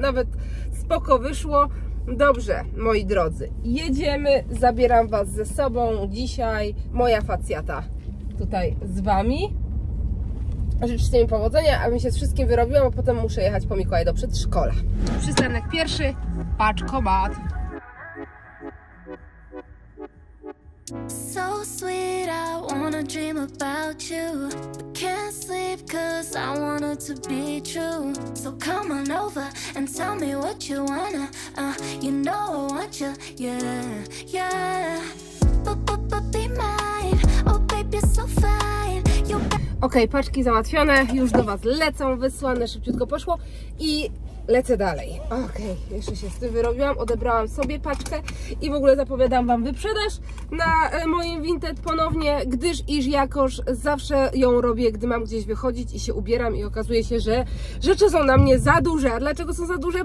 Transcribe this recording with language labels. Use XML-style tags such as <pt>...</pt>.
<pl>Nawet spoko wyszło. Dobrze, moi drodzy, jedziemy, zabieram was ze sobą. Dzisiaj moja facjata tutaj z wami. Życzcie mi powodzenia, abym się z wszystkim wyrobiła, bo potem muszę jechać po Mikołaja do przedszkola. Przystanek pierwszy, paczkomat.</pl> <en>So sweet, I wanna dream about you. But can't sleep cause I want it to be true. So come on over and tell me what you wanna. You know I want you, yeah, yeah. But be mine, oh baby, you're so fine.</en> <pl>Okej, paczki załatwione, już do was lecą, wysłane, szybciutko poszło i lecę dalej. Okej, jeszcze się z tym wyrobiłam, odebrałam sobie paczkę i w ogóle zapowiadam wam wyprzedaż na moim Vinted ponownie, gdyż iż jakoż zawsze ją robię, gdy mam gdzieś wychodzić i się ubieram i okazuje się, że rzeczy są na mnie za duże. A dlaczego są za duże?</pl>